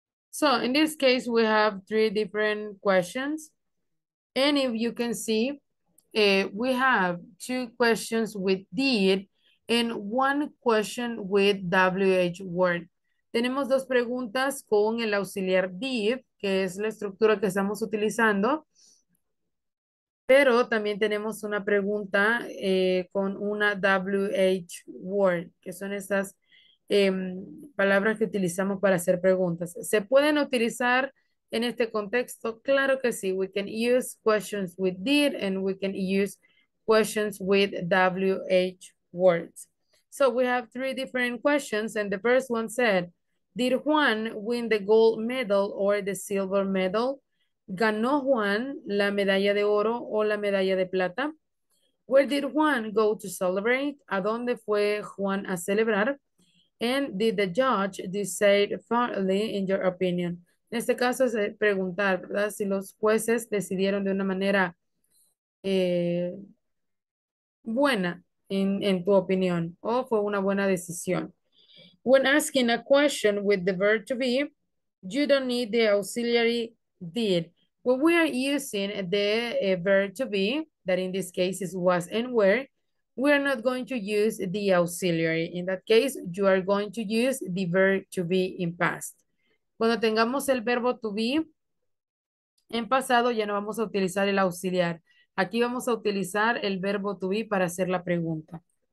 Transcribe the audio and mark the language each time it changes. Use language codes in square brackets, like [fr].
[en] So in this case, we have three different questions. And if you can see, we have two questions with did and one question with WH word. [es] Tenemos dos preguntas con el auxiliar did, que es la estructura que estamos utilizando, pero también tenemos una pregunta con una WH word, que son estas palabras que utilizamos para hacer preguntas. ¿Se pueden utilizar en este contexto? Claro que sí. [en] We can use questions with did and we can use questions with WH words. So we have three different questions and the first one said, did Juan win the gold medal or the silver medal? [es] ¿Ganó Juan la medalla de oro o la medalla de plata? [en] Where did Juan go to celebrate? [es] ¿A dónde fue Juan a celebrar? [en] And did the judge decide fairly in your opinion? [es] En este caso es preguntar, ¿verdad? Si los jueces decidieron de una manera buena en tu opinión o fue una buena decisión. [en] When asking a question with the verb to be, you don't need the auxiliary did. When we are using the verb to be, that in this case is was and were, we are not going to use the auxiliary. In that case, you are going to use the verb to be in past. [es] Cuando tengamos el verbo to be en pasado, ya no vamos a utilizar el auxiliar. Aquí vamos a utilizar el verbo to be para hacer la pregunta.